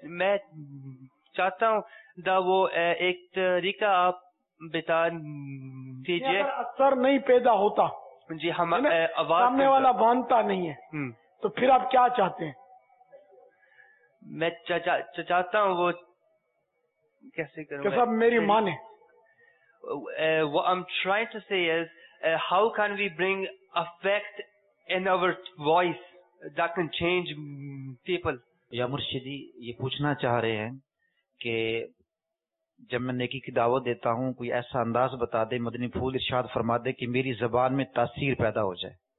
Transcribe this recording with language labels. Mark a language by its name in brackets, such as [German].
[Urdu] میں چاہتا ہوں دا وہ ایک طریقہ آپ بتا دیجئے۔ اثر نہیں پیدا ہوتا جی، ہم آواز سامنے والا مانتا نہیں ہے تو پھر آپ کیا چاہتے ہیں؟ میں چاہتا ہوں وہ کیسے کروں؟ کیسا میری مانے، [English] what I'm trying to say is how can we bring effect in our voice that can change people؟ [Urdu] یا مرشدی، یہ پوچھنا چاہ رہے ہیں کہ جب میں نیکی کی دعوت دیتا ہوں کوئی ایسا انداز بتا دے، مدنی پھول ارشاد فرما دے کہ میری زبان میں تاثیر پیدا ہو جائے۔